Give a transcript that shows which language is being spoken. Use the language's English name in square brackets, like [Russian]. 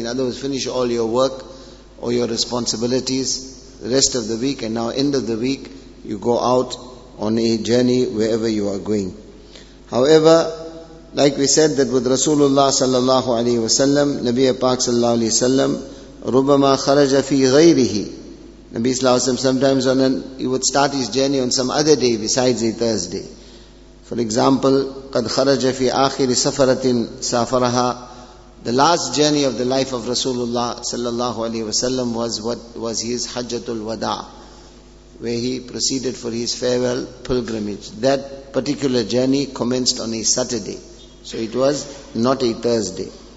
[English] In other words, finish all your work or your responsibilities rest of the week, and now end of the week you go out on a journey wherever you are going. However, Like we said that with Rasulullah sallallahu alayhi wa sallam, Nabi Pak sallallahu alayhi wa sallam, [Arabic] رُبَمَا خَرَجَ فِي غَيْرِهِ. [English] Nabi sallallahu alayhi wa sallam sometimes he would start his journey on some other day besides a Thursday. For example, [Arabic] قَدْ خَرَجَ فِي آخِرِ سَفَرَةٍ سَافَرَهَا. [English] The last journey of the life of Rasulullah sallallahu alayhi wa sallam was what was his Hajjatul Wada, where he proceeded for his farewell pilgrimage. That particular journey commenced on a Saturday. So it was not a Thursday.